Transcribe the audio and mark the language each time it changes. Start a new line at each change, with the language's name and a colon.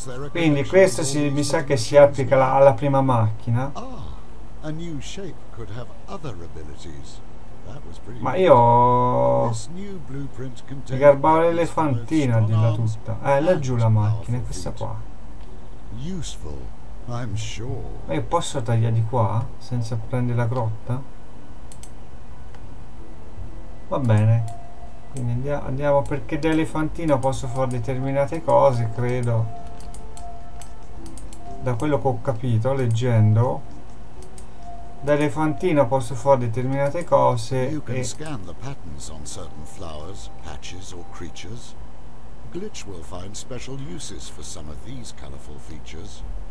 Italian: Quindi questo mi sa che si applica alla prima macchina.
English: A new shape could have other abilities. That was pretty.
Italian: Ma io mi garbavo l'elefantina, dirla tutta. Laggiù la macchina, questa qua.
English: Useful, I'm sure.
Italian: Ma io posso tagliare di qua senza prendere la grotta? Va bene. Quindi andiamo, perché da elefantino posso fare determinate cose, credo. Da quello che ho capito leggendo, da elefantino posso fare determinate cose.
English: You can scan the patterns on certain flowers, patches or creatures. Glitch will find special uses for some of these colorful features.